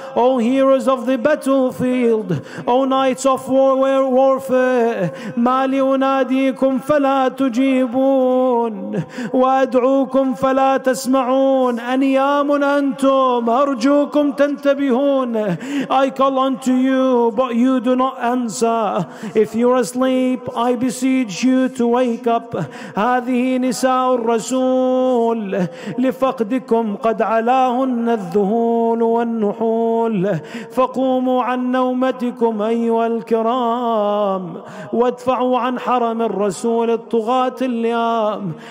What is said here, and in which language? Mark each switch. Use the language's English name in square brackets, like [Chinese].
[English] O heroes of the battlefield, O knights of warfare, [Arabic] ما لأناديكم فلا تجيبون وأدعوكم فلا تسمعون أنيام أنتم أرجوكم تنتبهون. [English] I call unto you, but you do not answer. If you're asleep, I beseech you to wake up. [Arabic] هذه نساء الرسول لفقدكم قد علاهن الذهول والنحول فقوموا عن نومتكم أيها الكرام وادفعوا عن حرم الرسول الطغاة اللئام.